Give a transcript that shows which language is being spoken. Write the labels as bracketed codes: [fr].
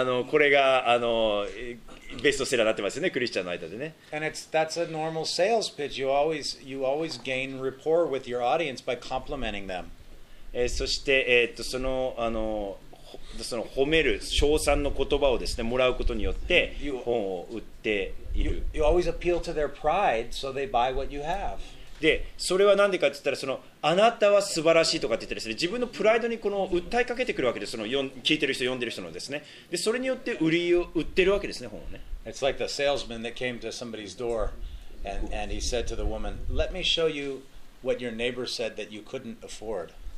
[ja] これが、ベストセラーになってますよね、クリスチャンの間でね。 [en] And that's a normal sales pitch. You always gain rapport with your audience by complimenting them. [ja] そして、その褒める、称賛の言葉をですね、もらうことによって、本を売っている。 [en] You always appeal to their pride, so they buy what you have. [ja] でそれは何でかって言ったらそのあなたは素晴らしいとかって言ってですね自分のプライドにこの訴えかけてくるわけですその聞いてる人読んでる人のですねでそれによって売りを売ってるわけですね本をね [en] It's like the salesman that came to somebody's door and he said to the woman Let me show you what your neighbor said that you couldn't afford